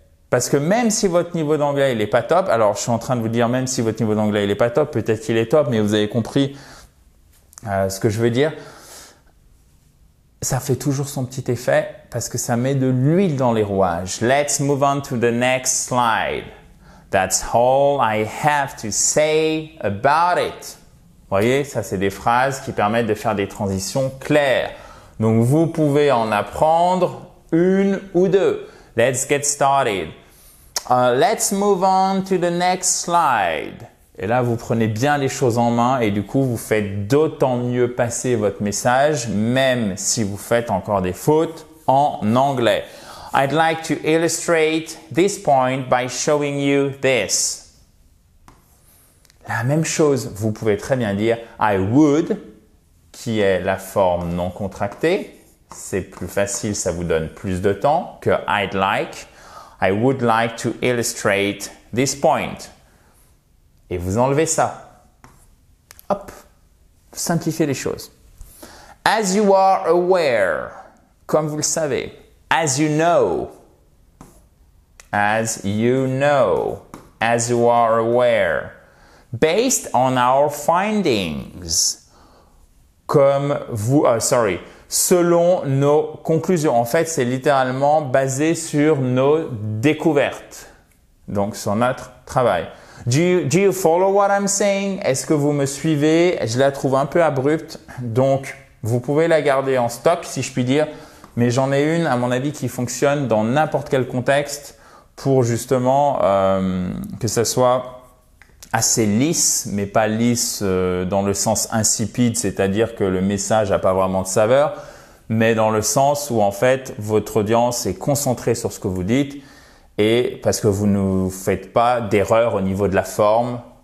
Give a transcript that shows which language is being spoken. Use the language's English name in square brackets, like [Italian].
[French] Parce que même si votre niveau d'anglais, il n'est pas top, alors je suis en train de vous dire, même si votre niveau d'anglais, il n'est pas top, peut-être qu'il est top, mais vous avez compris ce que je veux dire. Ça fait toujours son petit effet parce que ça met de l'huile dans les rouages. [English] Let's move on to the next slide. That's all I have to say about it. [French] Vous voyez, ça, c'est des phrases qui permettent de faire des transitions claires. Donc, vous pouvez en apprendre une ou deux. [English] Let's get started. Let's move on to the next slide. [French] Et là, vous prenez bien les choses en main et du coup, vous faites d'autant mieux passer votre message, même si vous faites encore des fautes en anglais. [English] I'd like to illustrate this point by showing you this. [French] La même chose, vous pouvez très bien dire [English] I would, [French] qui est la forme non contractée. C'est plus facile, ça vous donne plus de temps que [English] I'd like. I would like to illustrate this point. [French] Et vous enlevez ça. Hop, simplifiez les choses. [English] As you are aware, [French] comme vous le savez, [English] as you know, as you know, as you are aware, based on our findings, [French] comme vous, selon nos conclusions. En fait, c'est littéralement basé sur nos découvertes, donc sur notre travail. [English] Do you follow what I'm saying? [French] Est-ce que vous me suivez? Je la trouve un peu abrupte, donc vous pouvez la garder en stock, si je puis dire. Mais j'en ai une, à mon avis, qui fonctionne dans n'importe quel contexte pour justement que ça soit assez lisse, mais pas lisse dans le sens insipide, c'est-à-dire que le message n'a pas vraiment de saveur, mais dans le sens où en fait, votre audience est concentrée sur ce que vous dites et parce que vous ne faites pas d'erreur au niveau de la forme.